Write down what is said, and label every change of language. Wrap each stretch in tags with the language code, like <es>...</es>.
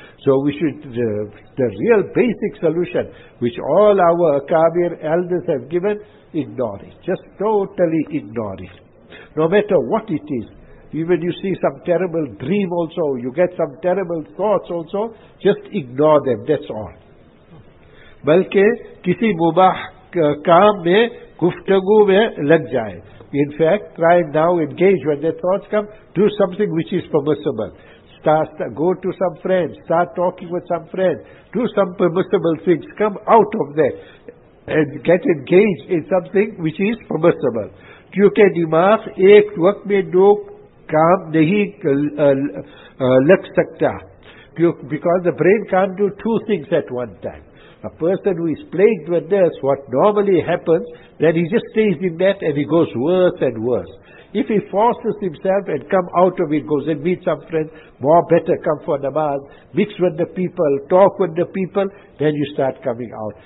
<en>So we should, the real basic solution which all our Akabir elders have given, ignore it. Just totally ignore it. No matter what it is, even you see some terrible dream also, you get some terrible thoughts also, just ignore them, that's all.</en> <ur>بلکہ کسی مباح کام میں گفتگو میں لگ جائے.</ur> <en>In fact, try now, engage when the thoughts come, do something which is permissible. Go to some friends, start talking with some friends, do some permissible things, come out of that and get engaged in something which is permissible.</en> <ur>کیونکہ دماغ ایک وقت میں دو کام نہیں لگ سکتا.</ur> <en>Because the brain can't do two things at one time. A person who is plagued with this, what normally happens, then he just stays in that and he goes worse and worse. If he forces himself and come out of it, goes and meet some friends, more better come for namaz, mix with the people, talk with the people, then you start coming out.</en>